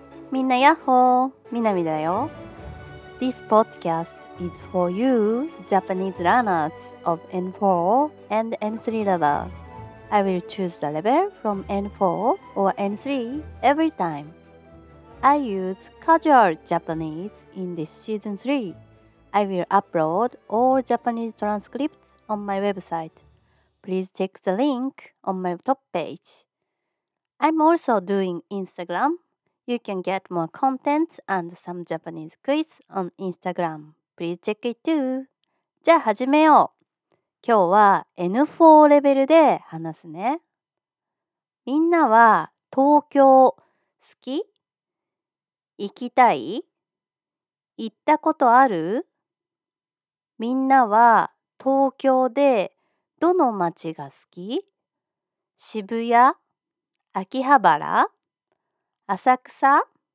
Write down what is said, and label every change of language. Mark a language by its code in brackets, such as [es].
[ja] みんなやっほー、みなみだよ。 [en] This podcast is for you Japanese learners of N4 and N3 level. I will choose the level from N4 or N3 every time. I use casual Japanese in this season 3. I will upload all Japanese transcripts on my website. Please check the link on my top page. I'm also doing Instagram. You can get more content and some Japanese quiz on Instagram. Please check it too. [ja] じゃあ始めよう。今日は N4 レベルで話すね。みんなは東京好き？行きたい？行ったことある？みんなは東京でどの街が好き？渋谷？秋葉原？浅草？